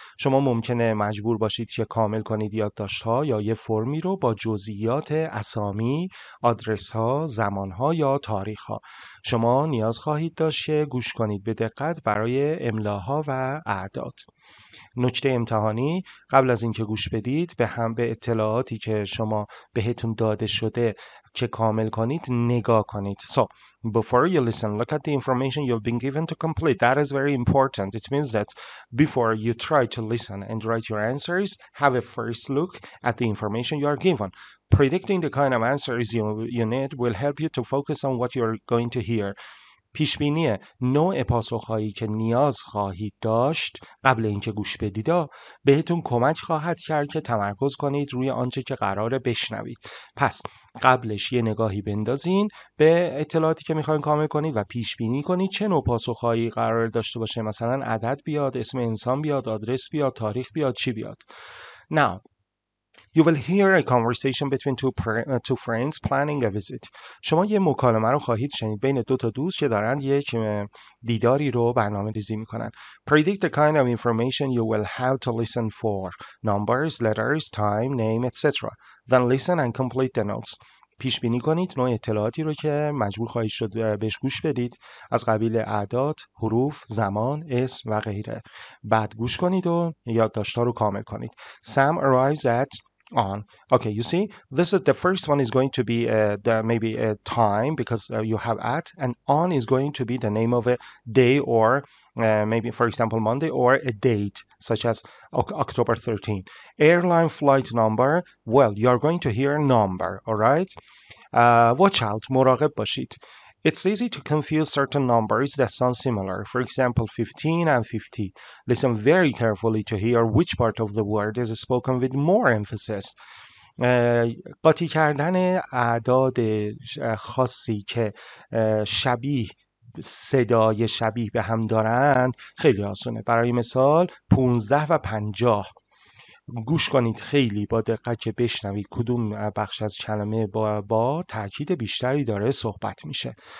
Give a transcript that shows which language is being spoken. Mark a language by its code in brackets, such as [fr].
[fa] شما ممکنه مجبور باشید که کامل کنید یادداشت‌ها یا یه فرمی رو با جزئیات اسامی، آدرس‌ها، زمان‌ها یا تاریخ‌ها. شما نیاز خواهید داشت که گوش کنید به دقت برای املاها و اعداد. نکته امتحانی قبل از اینکه گوش بدید به هم به اطلاعاتی که شما بهتون داده شده که کامل کنید نگاه کنید. [en] So, before you listen, look at the information you've been given to complete. That is very important. It means that before you try to listen and write your answers, have a first look at the information you are given. Predicting the kind of answers you need will help you to focus on what you're going to hear. [fa] پیشبینی نوع پاسخهایی که نیاز خواهید داشت قبل اینکه گوش بدید بهتون کمک خواهد کرد که تمرکز کنید روی آنچه که قراره بشنوید. پس قبلش یه نگاهی بندازین به اطلاعاتی که میخواین کامل کنید و پیشبینی کنید چه نوع پاسخهایی قرار داشته باشه. مثلا عدد بیاد، اسم انسان بیاد، آدرس بیاد، تاریخ بیاد، چی بیاد. [en] Now you will hear a conversation between two friends planning a visit. [fa] شما یه مکالمه رو خواهید شنید بین دو تا دوست که دارن یک دیداری رو برنامه ریزی میکنن. [en] Predict the kind of information you will have to listen for. Numbers, letters, time, name, etc. Then listen and complete the notes. [fa] پیش بینی کنید نوع اطلاعاتی رو که مجبور خواهید شد بهش گوش بدید از قبیل اعداد، حروف، زمان، اسم و غیره. بعد گوش کنید و یادداشت‌ها رو کامل کنید. [en] Sam arrives at On. Okay, you see, this is the first one is going to be the maybe a time because you have at, and on is going to be the name of a day or maybe, for example, Monday or a date such as October 13. Airline flight number, well, you are going to hear a number, all right? Watch out, [fa] مراقب باشید. [en] It's easy to confuse certain numbers that sound similar, for example, 15 and 50. Listen very carefully to hear which part of the word is spoken with more emphasis. [fa] قاطی کردن اعداد خاصی که شبیه صدای شبیه به هم دارند خیلی آسونه. برای مثال 15 و 50. گوش کنید خیلی با دقت که بشنوید کدوم بخش از کلمه با تاکید بیشتری داره صحبت میشه.